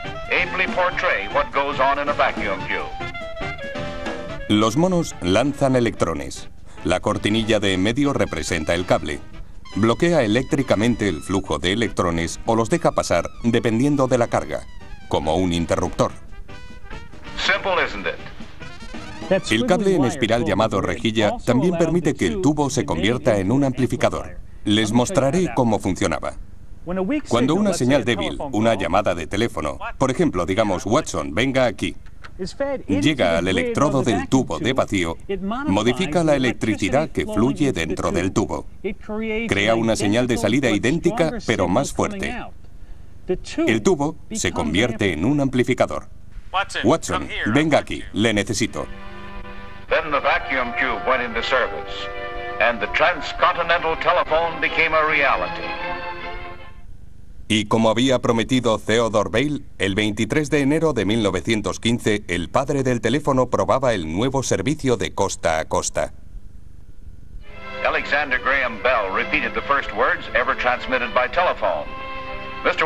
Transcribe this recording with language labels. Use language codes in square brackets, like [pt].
[en] Aptly portray what goes on in a vacuum tube. [es] Los monos lanzan electrones. La cortinilla de en medio representa el cable. Bloquea eléctricamente el flujo de electrones o los deja pasar dependiendo de la carga, como un interruptor. [en] Simple, isn't it? [es] El cable en espiral llamado rejilla también permite que el tubo se convierta en un amplificador. Les mostraré cómo funcionaba. Cuando una señal débil, una llamada de teléfono, por ejemplo, digamos, Watson, venga aquí, llega al electrodo del tubo de vacío, modifica la electricidad que fluye dentro del tubo. Crea una señal de salida idéntica, pero más fuerte. El tubo se convierte en un amplificador. Watson, venga aquí, le necesito. [en] Then the vacuum tube went into service, and the transcontinental telephone became a reality. [es] Y como había prometido Theodore Bail, el 23 de enero de 1915, el padre del teléfono probaba el nuevo servicio de costa a costa. [en] Alexander Graham Bell repeated the first words ever transmitted by telephone. Mr.